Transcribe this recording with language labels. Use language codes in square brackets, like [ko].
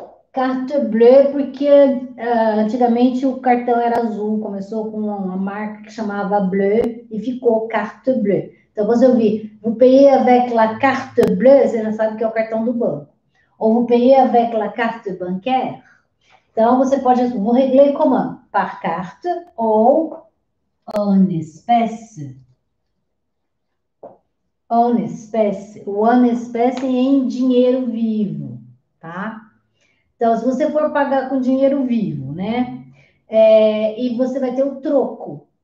[pt] Carte bleue, porque antigamente o cartão era azul, começou com uma marca que chamava Bleu e ficou carte bleue. Então você ouvir, [fr] vous payez avec la carte bleue, [pt] você já sabe que é o cartão do banco. [fr] Ou vous payez avec la carte bancaire. [pt] Então você pode, [fr] vous réglez comment? Par carte ou en espèce. En espèce. [pt] O en espèce em dinheiro vivo, tá? Então, se você for pagar com dinheiro vivo, né? E você vai ter o troco.